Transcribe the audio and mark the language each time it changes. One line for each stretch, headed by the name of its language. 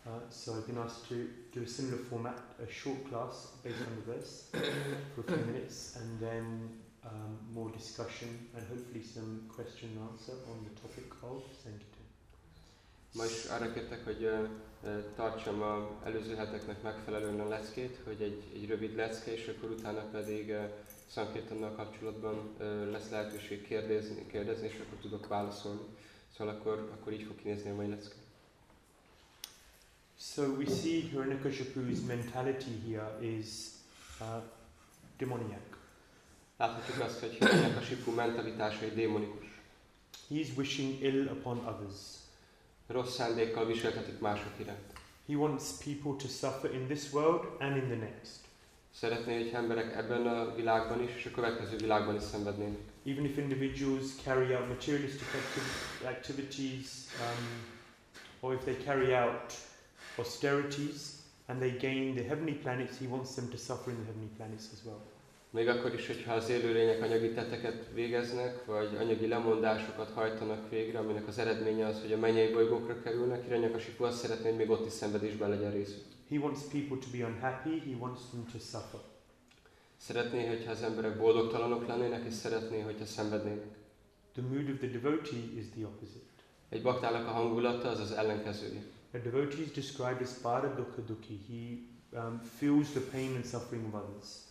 English: So I've been asked to do a similar format, a short class based on the verse for a few minutes and then more discussion and hopefully some question and answer on the topic of sankirtan.
Hungarian: Ma is arra kértek, hogy tartsam az előző heteknek megfelelően a leckét, hogy egy rövid lecke, és akkor utána pedig szankirtannal kapcsolatban lesz lehetőség kérdezni, és akkor tudok válaszolni. Szóval akkor így fog kinézni a mai lecke.
English: So we see Hiranyakasipu's mentality here is demoniac.
Hungarian: Láthatjuk azt, hogy Hiranyakasipu mentalitása egy démonikus.
English: He is wishing ill upon others.
Hungarian: Rossz szándékkal viselkedik mások iránt.
English: He wants people to suffer in this world and in the next.
Hungarian: Szeretné, hogy emberek ebben a világban is és a következő világban is szenvednének.
English: Even if individuals carry out materialistic activities, or if they carry out austerities and they gain the heavenly planets, he wants them to suffer in the heavenly planets as well.
Hungarian: Még akkor is, hogyha az élőlények anyagi tetteket végeznek, vagy anyagi lemondásokat hajtanak végre, aminek az eredménye az, hogy a mennyei bolygókra kerülnek, Hiranyakasipu azt szeretné, hogy még ott is szenvedésben legyen részük.
English: He wants people to be unhappy, he wants them to suffer.
Hungarian: Szeretné, hogyha az emberek boldogtalanok lennének, és szeretné, hogyha szenvednének.
English: The mood of the devotee is the opposite.
Hungarian: Egy baktának a hangulata az az ellenkezője.
English: A devotee is described as paradukha dukhi. He feels the pain and suffering of others.